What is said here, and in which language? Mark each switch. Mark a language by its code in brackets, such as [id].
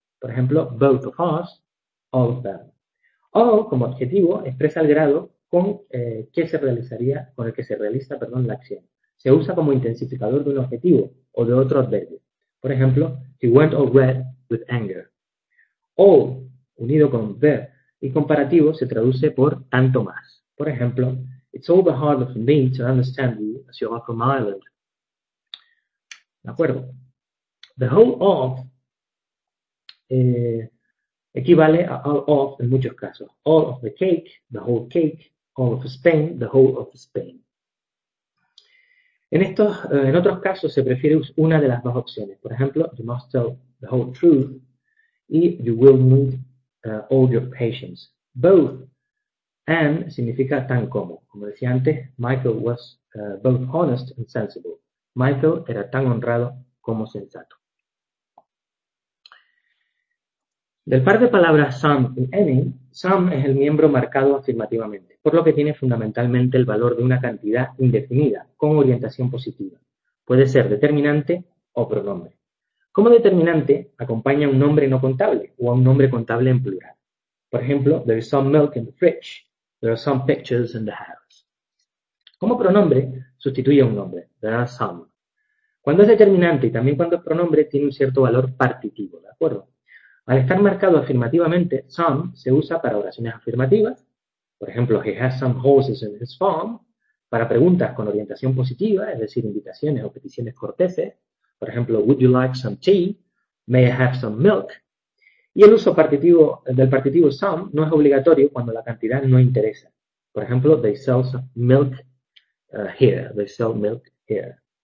[es] Por ejemplo, [en] both of us, all of them. [es] All, como adjetivo, expresa el grado con que se realizaría, con el que se realiza, perdón, la acción. Se usa como intensificador de un objetivo o de otro adverbio. Por ejemplo, [en] he went all red with anger. [es] All, unido con ver y comparativo, se traduce por tanto más. Por ejemplo, [en] it's all the harder for me to understand you as you are from Ireland. [es] ¿De acuerdo? The whole of equivale a all of en muchos casos. [en] All of the cake, the whole cake. All of Spain, the whole of Spain. [es] En otros casos se prefiere una de las dos opciones. Por ejemplo, [en] you must tell the whole truth y you will need all your patience. [es] Both and significa tan como. Como decía antes, [en] Michael was both honest and sensible. [es] Michael era tan honrado como sensato. Del par de palabras some y any, some es el miembro marcado afirmativamente, por lo que tiene fundamentalmente el valor de una cantidad indefinida, con orientación positiva. Puede ser determinante o pronombre. Como determinante, acompaña a un nombre no contable o a un nombre contable en plural. Por ejemplo, [en] there is some milk in the fridge, there are some pictures in the house. [es] Como pronombre, sustituye a un nombre, [en] there are some. [es] Cuando es determinante y también cuando es pronombre, tiene un cierto valor partitivo, ¿de acuerdo? Al estar marcado afirmativamente, some se usa para oraciones afirmativas, por ejemplo, [en] he has some horses in his farm, [es] para preguntas con orientación positiva, es decir, invitaciones o peticiones corteses, por ejemplo, [en] would you like some tea, may I have some milk, [es] y el uso partitivo, del partitivo some no es obligatorio cuando la cantidad no interesa, por ejemplo, [en] they sell some milk here, [es] they sell milk here.